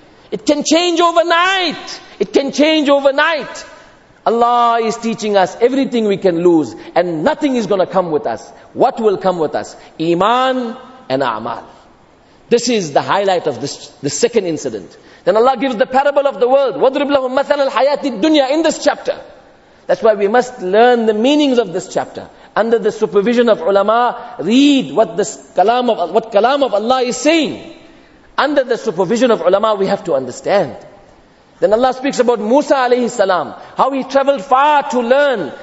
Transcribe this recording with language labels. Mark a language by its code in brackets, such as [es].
[en] It can change overnight. It can change overnight. Allah is teaching us everything we can lose and nothing is going to come with us. What will come with us? Iman and A'mal. This is the highlight of the second incident. Then Allah gives the parable of the world. [ar] وَضْرِبْ لَهُمْ مَثَلَ الْحَيَاةِ الدُّنْيَا [en] in this chapter. That's why we must learn the meanings of this chapter. Under the supervision of ulama, read what this kalam of what kalam of Allah is saying. Under the supervision of ulama, we have to understand. Then Allah speaks about Musa alayhi salam, how he traveled far to learn.